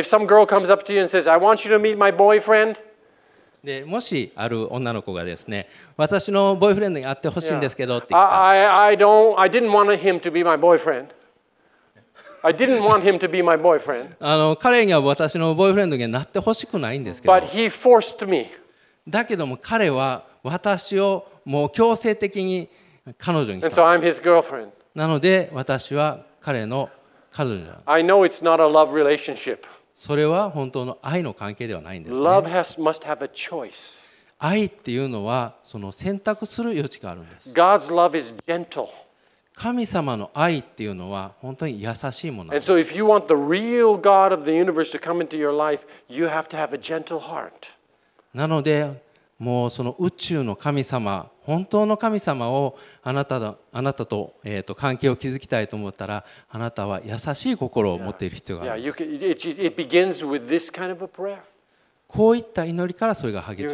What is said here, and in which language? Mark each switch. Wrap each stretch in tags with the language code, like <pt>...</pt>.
<en>Yeah, if some girl comes up to you and says, I want you to meet my boyfriend.</en> <ja>で、もしある女の子がですね、私のボーイフレンドに会ってほしいんですけどって言った。</ja> <en>I didn't want him to be my boyfriend.</en> <ja>彼には私のボーイフレンドになってほしくないんですけど。</ja> <en>But he forced me.</en> <ja>だけども彼は私をもう強制的に彼女にした。</ja> <en>So、</en> <ja>なので私は彼の彼女になる。</ja> <en>I know it's not a love relationship.</en> <ja>それは本当の愛の関係ではないんですね。</ja> <en>Love must have a choice.</en> <ja>愛っていうのはその選択する余地があるんです。</ja> <en>God's love is gentle.</en> <ja>神様の愛っていうのは本当に優しいものなんです。</ja> <en>And so if you want the real God of the universe to come into your life, you have to have a gentle heart.</en> <ja>なのでもうその宇宙の神様、本当の神様をあなたと、関係を築きたいと思ったら、あなたは優しい心を持っている必要がある。</ja> <en>Yeah, kind of</en> <ja>こういった祈りからそれが励</ja>